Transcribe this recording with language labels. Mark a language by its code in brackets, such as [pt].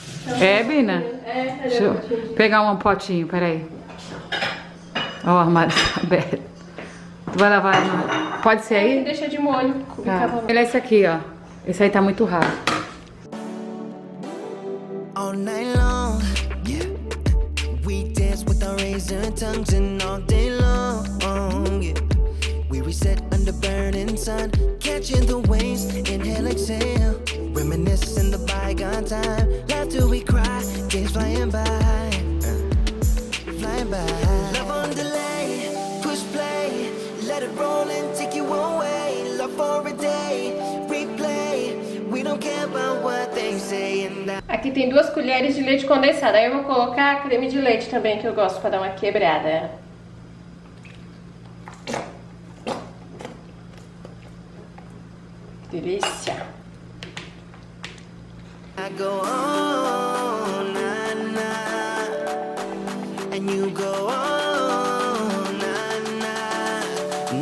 [pt] Então, é, Bina? É, peraí. Deixa eu pegar um potinho, peraí. Ó, o armário tá aberto. Tu vai lavar, né? Pode ser aí? Deixa de molho. Tá. Ele é esse aqui, ó. Esse aí tá muito raro. [en] all night long. Yeah. We dance with our razor tongues and all day long. Yeah. We reset under burning sun, catching the waves, inhale, exhale. Reminiscing the bygone time, laugh till we cry, days flying by, flying by. Love on delay, push play, let it roll and take you away. Love for a day, replay, we don't care about what they say. [pt] Aqui tem 2 colheres de leite condensado, aí eu vou colocar creme de leite também, que eu gosto, pra dar uma quebrada. Delícia. [en] I go on, nah, nah. And you go on, nah, nah.